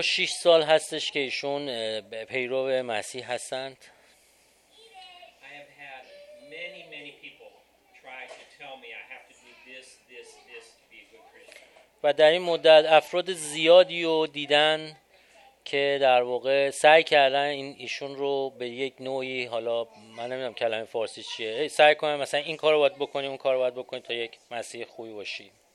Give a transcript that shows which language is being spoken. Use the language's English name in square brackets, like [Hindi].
[Persian] 46 سال هستش که ایشون پیرو مسیح هستند. [English] I have had many, many people try to tell me I have to do this to be a good Christian. [Persian] و در این مدت افراد زیادی رو دیدن که در واقع سعی کردن این ایشون رو به یک نوعی، حالا من نمیدونم کلمه فارسی چیه، سعی کنم مثلا این کار رو باید بکنی اون کار رو باید بکنی تا یک مسیح خوبی باشی.